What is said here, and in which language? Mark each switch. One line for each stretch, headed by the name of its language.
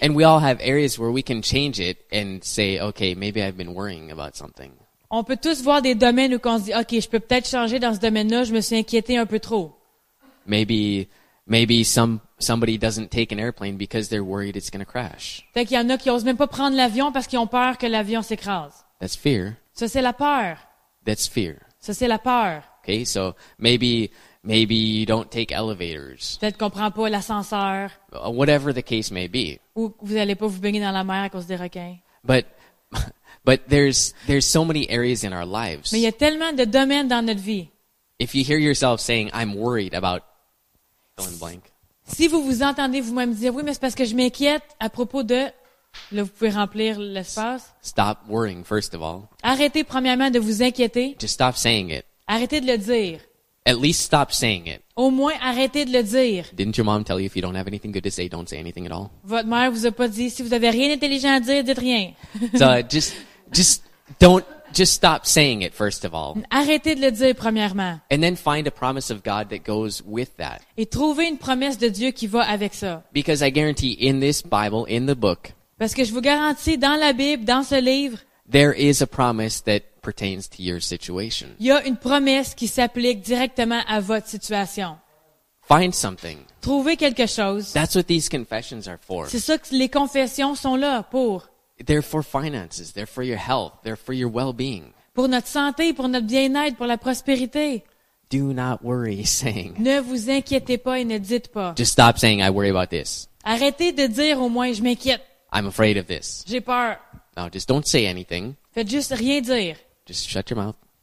English: and we all have areas where we can change it and say, okay, maybe I've been worrying about something.
French: On peut tous voir des domaines où on se dit, okay, je peux peut-être changer dans ce domaine-là, je me suis inquiété un peu trop.
English: Maybe somebody doesn't take an airplane because they're worried it's going to crash.
French: Fait qu'il y en a qui osent même pas prendre l'avion parce qu'ils ont peur que l'avion s'écrase.
English: That's fear.
French: Ça, c'est la peur.
English: That's fear.
French: Ça, c'est la peur.
English: Okay, so maybe you don't take elevators.
French: Peut-être qu'on prend pas l'ascenseur.
English: Whatever the case may be.
French: Ou vous allez pas vous baigner dans la mer à cause des requins.
English: But there's so many areas in our lives.
French: Mais il y a tellement de domaines dans notre vie.
English: If you hear yourself saying, I'm worried about fill in blank.
French: Si vous vous entendez vous-même dire, oui, mais c'est parce que je m'inquiète à propos de, là, vous pouvez remplir l'espace.
English: Stop worrying, first of all.
French: Arrêtez premièrement de vous inquiéter.
English: Just stop saying it.
French: Arrêtez de le dire.
English: At least stop saying it.
French: Au moins, arrêtez de le dire.
English: Didn't your mom tell you if you don't have anything good to say, don't say anything at all?
French: Votre mère vous a pas dit, si vous avez rien d'intelligent à dire, dites rien.
English: So, just stop saying it, first of all.
French: Arrêtez de le dire, premièrement.
English: And then find a promise of God that goes with that.
French: Et trouvez une promesse de Dieu qui va avec ça.
English: Because I guarantee in this Bible, in the book,
French: parce que je vous garantis, dans la Bible, dans ce livre,
English: there is a promise that pertains to your situation.
French: Il y a une promesse qui s'applique directement à votre situation.
English: Find something.
French: Trouvez quelque chose.
English: That's what these confessions are for.
French: C'est ça que les confessions sont là pour.
English: They're for finances, they're for your health, they're for your well-being.
French: Pour notre santé, pour notre bien-être, pour la prospérité.
English: Do not worry, saying.
French: Ne vous inquiétez pas et ne dites pas.
English: Just stop saying, I worry about this.
French: Arrêtez de dire au moins, je m'inquiète.
English: I'm afraid of this.
French: J'ai peur.
English: No, just don't say anything.
French: Faites juste rien dire.
English: Just shut your mouth.